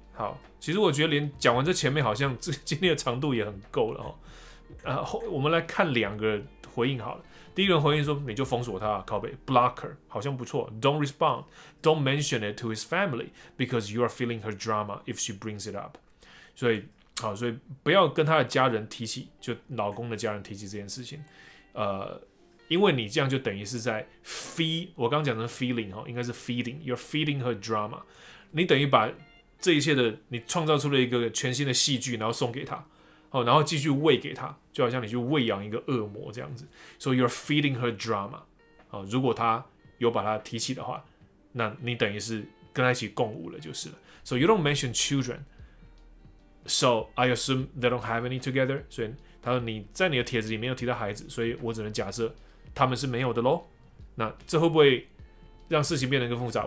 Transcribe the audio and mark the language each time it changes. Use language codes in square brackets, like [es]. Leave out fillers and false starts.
[zh] 好，其实我觉得连讲完这前面好像今天的长度也很够了哦。我们来看两个回应好了。第一个人回应说：“你就封锁他，靠北 ，blocker， 好像不错。 [en] Don't respond, don't mention it to his family because you are feeling her drama if she brings it up。” [zh] 所以，好，所以不要跟他的家人提起，就老公的家人提起这件事情。因为你这样就等于是在 feed， 我刚讲的 feeling 哈，应该是 feeding， [en] you're feeding her drama。 [zh] 你等于把这一切的你创造出了一个全新的戏剧，然后送给他。然后继续喂给他，就好像你去喂养一个恶魔这样子。 [en] So you're feeding her drama。 [zh] 如果他有把他提起的话，那你等于是跟他一起共舞了，就是了。 [en] So you don't mention children. So I assume they don't have any together. [zh] 所以他说你在你的帖子里没有提到孩子，所以我只能假设他们是没有的咯。那这会不会让事情变得更复杂？